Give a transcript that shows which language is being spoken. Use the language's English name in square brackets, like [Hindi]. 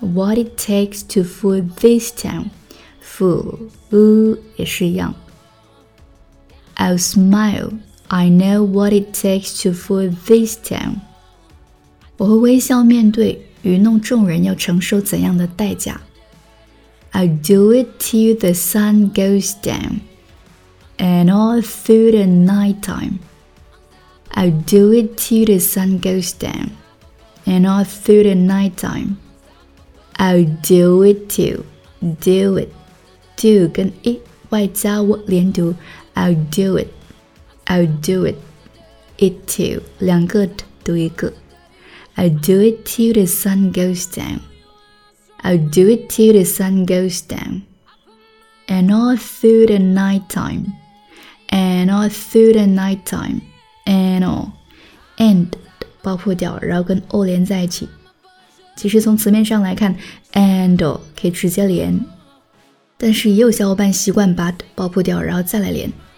[English] What it takes to fool this town. [Chinese] Fool、也是一样。 [English] I'll smile, I know what it takes to fool this town. [Chinese] 我会微笑面对愚弄众人要承受怎样的代价。 [English] I'll do it till the sun goes down, and all through the night time. I'll do it till the sun goes down, and all through the night time. I'll do it till, do it, [Chinese] do 跟 it 外加我连读。 [English] I'll do it, I'll do it, [Chinese] it too, 两个 t 读一个。 [English] I'll do it till the sun goes down, I'll do it till the sun goes down, and all through the night time, and all through the night time, and all, [Chinese] and 爆破掉，然后跟 all 连在一起。其实从词面上来看 ，and all 可以直接连。但是也有小伙伴习惯把 t 爆破掉，然后再来连